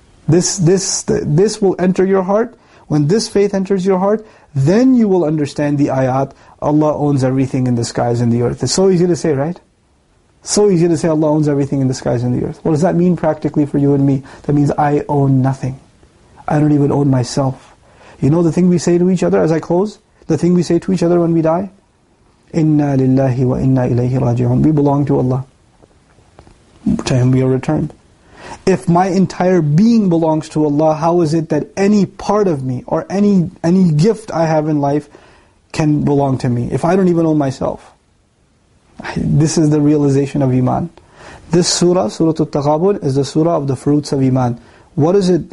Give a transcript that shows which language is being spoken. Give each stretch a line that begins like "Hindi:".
English: This will enter your heart. When this faith enters your heart, then you will understand the ayat, Allah owns everything in the skies and the earth. It's so easy to say, right? So easy to say Allah owns everything in the skies and the earth. What does that mean practically for you and me? That means I own nothing. I don't even own myself. You know the thing we say to each other as I close? The thing we say to each other when we die?
Arabic: إِنَّا لِلَّهِ وَإِنَّا إِلَيْهِ رَاجِعُونَ
English: We belong to Allah. To Him we are returned. If my entire being belongs to Allah, how is it that any part of me or any gift I have in life can belong to me? If I don't even own myself. This is the realization of iman. This surah, Surah At-Taghabun, is the surah of the fruits of iman. What is it?